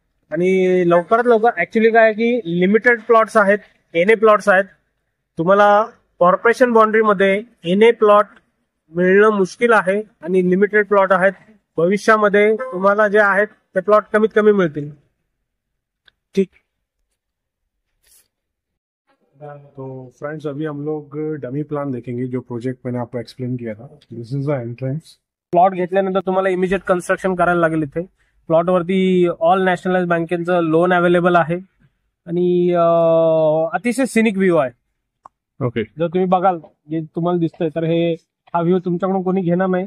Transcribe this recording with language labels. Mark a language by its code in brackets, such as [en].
[mr] आणि लवकरात लवकर, ऍक्च्युली काय की लिमिटेड प्लॉट्स आहेत, एन ए प्लॉट्स आहेत. तुम्हाला कॉर्पोरेशन बाउंड्रीमध्ये एन ए प्लॉट मिळणं मुश्किल आहे आणि लिमिटेड प्लॉट आहेत. भविष्यामध्ये तुम्हाला जे आहेत ते प्लॉट कमीत कमी मिळतील. ठीक, [hi] तो फ्रेंड्स अभी हम लोग डमी प्लान देखेंगे जो प्रोजेक्ट मैंने आपको एक्सप्लेन किया था. [en] This is the entrance. [mr] प्लॉट घेतल्यानंतर तुम्हाला इमिजिएट कन्स्ट्रक्शन करायला लागेल. इथे प्लॉट वरती ऑल नॅशनलाइज बँकेचं लोन अवेलेबल आहे आणि अतिशय सिनिक व्ह्यू आहे. ओके, जर तुम्ही बघाल जे तुम्हाला दिसतंय, तर हे हा व्ह्यू तुमच्याकडून कोणी घेणार नाही.